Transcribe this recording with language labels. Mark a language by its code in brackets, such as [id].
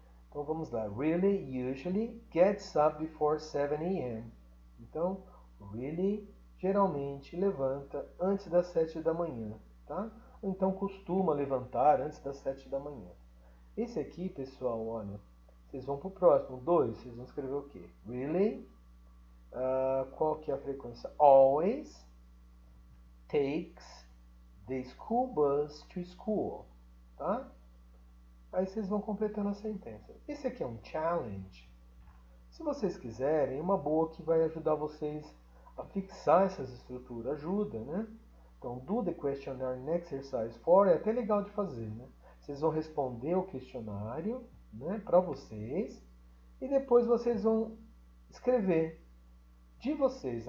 [en] Então vamos lá. Really, usually, gets up before 7 a.m. [pt] Então, really geralmente levanta antes das 7 da manhã, tá? Ou então costuma levantar antes das 7 da manhã. Esse aqui, pessoal, olha, vocês vão para o próximo. Dois, vocês vão escrever o quê? Really, qual que é a frequência? [en] Always takes the school bus to school, tá? [pt] Aí vocês vão completando a sentença. Esse aqui é um challenge. Se vocês quiserem, uma boa que vai ajudar vocês a fixar essas estruturas. Ajuda, né? Então, do the questionnaire in exercise 4 é até legal de fazer, né? Vocês vão responder o questionário, né, para vocês e depois vocês vão escrever de vocês.